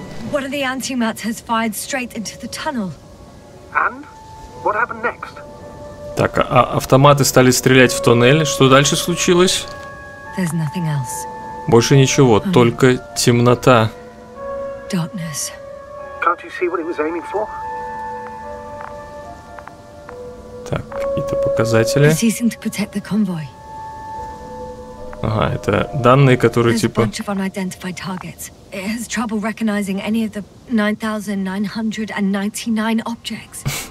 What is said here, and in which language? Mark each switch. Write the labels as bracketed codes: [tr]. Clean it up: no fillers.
[en] One of the antimats has fired straight into the tunnel. And what happened next? [ru] Так, а автоматы стали стрелять в туннель. Что дальше случилось? [en] There's nothing else. [ru] Больше ничего, только темнота. [en] Darkness. Can't you see what it was aiming for? [ru] Так, какие-то показатели. [en] It's ceasing to protect the convoy. [ru] Ага, это данные, которые типа. [en] There's a bunch of unidentified targets. It has trouble recognizing any of the 9,999 objects.